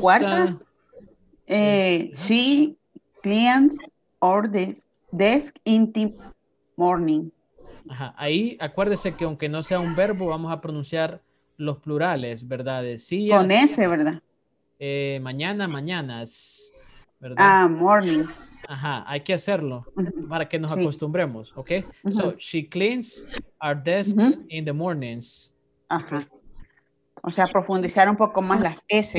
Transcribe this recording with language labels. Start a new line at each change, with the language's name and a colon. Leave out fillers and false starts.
Spanish: Cuarta,
English: she cleans or the desk in the morning. Ajá.
Spanish: Ahí acuérdese que aunque no sea un verbo, vamos a pronunciar los plurales, ¿verdad? De sillas, con ese, ¿verdad? Mañanas, ¿verdad?
English: Morning.
Spanish: Ajá, hay que hacerlo para que nos acostumbremos, ¿ok? Uh-huh.
English: So, she cleans our desks in the mornings. Ajá.
Spanish: O sea, profundizar un poco más las S.